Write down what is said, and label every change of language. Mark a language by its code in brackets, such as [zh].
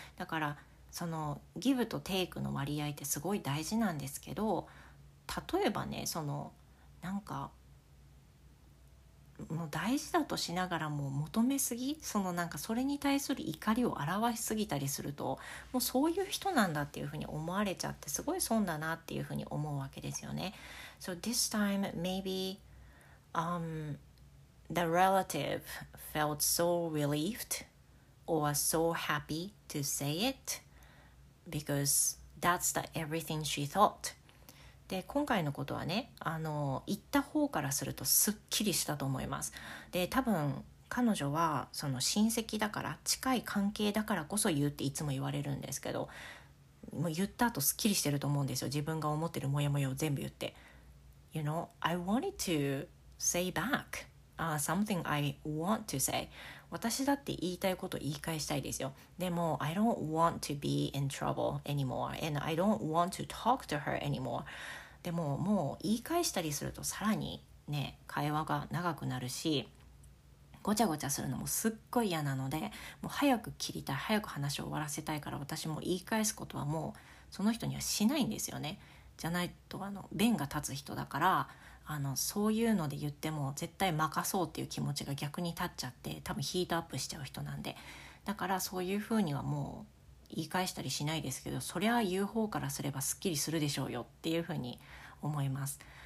[ja] だからそのギブとテイクの割合ってすごい大事なんですけど、例えばね、そのなんかもう大事だとしながらも求めすぎ、そのなんかそれに対する怒りを表しすぎたりすると、もうそういう人なんだっていうふうに思われちゃって、すごい損だなっていうふうに思うわけですよね。 [en] So this time maybe the relative felt so relieved or so happy to say it because that's the everything she thought。 [ja] で、今回のことはね、言った方からするとすっきりしたと思います。で、多分彼女はその親戚だから、近い関係だからこそ言うっていつも言われるんですけど、もう言った後すっきりしてると思うんですよ。自分が思ってるモヤモヤを全部言って、 [en] You know, I wanted to say back something I want to say。 [ja] 私だって言いたいこと言い返したいですよ。でも [en] I don't want to be in trouble anymore and I don't want to talk to her anymore。 [ja] でももう言い返したりするとさらにね、会話が長くなるし、ごちゃごちゃするのもすっごい嫌なので、もう早く切りたい、早く話を終わらせたいから、私も言い返すことはもうその人にはしないんですよね。じゃないと弁が立つ人だから、そういうので言っても絶対任そうっていう気持ちが逆に立っちゃって、多分ヒートアップしちゃう人なんで、だからそういうふうにはもう言い返したりしないですけど、そりゃ言う方からすればすっきりするでしょうよっていうふうに思います。